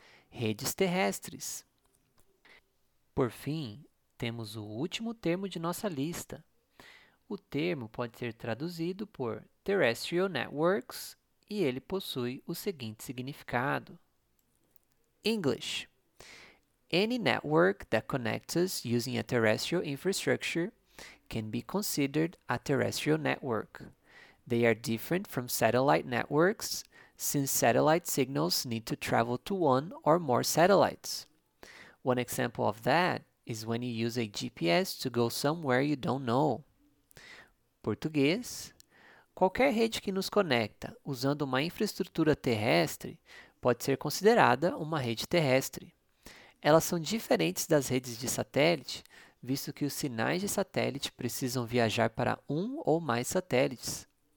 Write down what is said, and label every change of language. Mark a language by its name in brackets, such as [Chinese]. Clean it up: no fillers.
[Portuguese] Redes terrestres. Por fim, temos o último termo de nossa lista. O termo pode ser traduzido por Terrestrial Networks e ele possui o seguinte significado: English. [English] Any network that connects us using a terrestrial infrastructure can be considered a terrestrial network. They are different from satellite networks, since satellite signals need to travel to one or more satellites. One example of that is when you use a GPS to go somewhere you don't know. [Portuguese] Português: qualquer rede que nos conecta usando uma infraestrutura terrestre pode ser considerada uma rede terrestre. Elas são diferentes das redes de satélite, visto que os sinais de satélite precisam viajar para um ou mais satélites.